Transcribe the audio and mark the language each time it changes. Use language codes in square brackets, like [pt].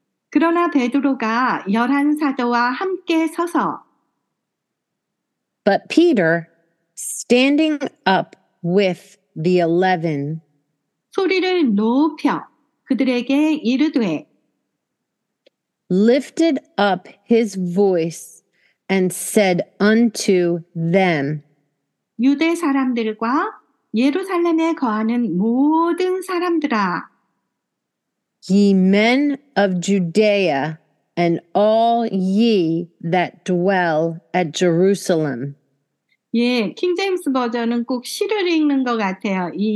[ko] 그러나 베드로가 열한 사도와 함께 서서. [en] But Peter, standing up with the 11. [ko] 소리를 높여 그들에게 이르되. [en] Lifted up his voice and said unto them. [ko] 유대 사람들과 예루살렘에 거하는 모든 사람들아. [en] Ye men of Judea and all ye that dwell at Jerusalem. [ko] 예, 킹제임스 버전은 꼭 시를 읽는 것 같아요.